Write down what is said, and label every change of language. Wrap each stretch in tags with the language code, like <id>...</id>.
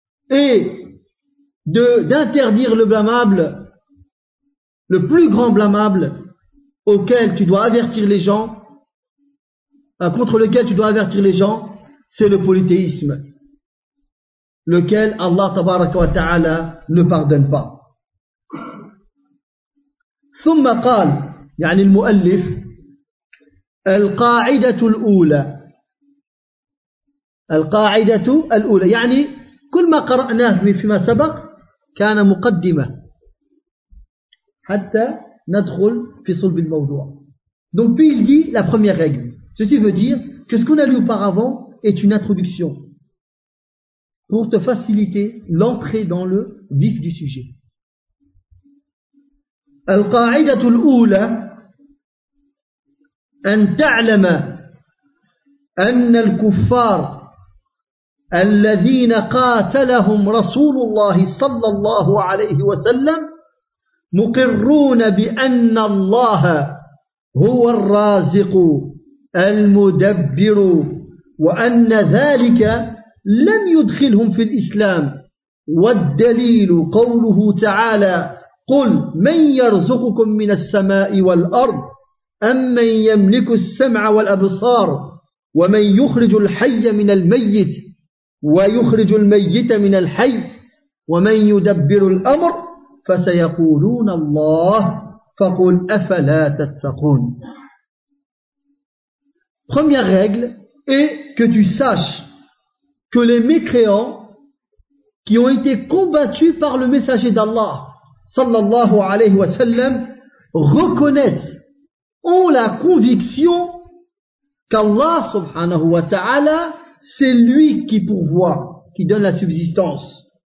<fr>Et d'interdire le blâmable, le plus grand blâmable auquel tu dois avertir les gens, contre lequel tu dois avertir les gens, c'est le polythéisme, lequel Allah tabaraka wa ta'ala ne pardonne pas.</fr> <ar>ثم قال يعني المؤلف القاعدة الأولى القاعدة الأولى يعني كل ما قرأناه فيما سبق كان مقدمة حتى ندخل في صلب الموضوع.</ar> <fr>Donc puis il dit la première règle. Ceci veut dire que ce qu'on a lu auparavant est une introduction pour te faciliter l'entrée dans le vif du sujet.</fr> <ar>القاعدة الأولى أن تعلم أن الكفار الذين قاتلهم رسول الله صلى الله عليه وسلم مقرون بأن الله هو الرازق المدبر وأن ذلك لم يدخلهم في الإسلام والدليل قوله تعالى قل من يرزقكم من السماء والأرض أمن يملك السمع والأبصار ومن يخرج الحي من الميت ويخرج الميت من الحي ومن يدبر الأمر فسيقولون الله فقل أفلا تتقون.</ar> <fr>Première règle est que tu saches que les mécréants qui ont été combattus par le messager d'Allah sallallahu alayhi wa sallam reconnaissent, ont la conviction qu'Allah subhanahu wa ta'ala, c'est lui qui pourvoit, qui donne la subsistance.</fr>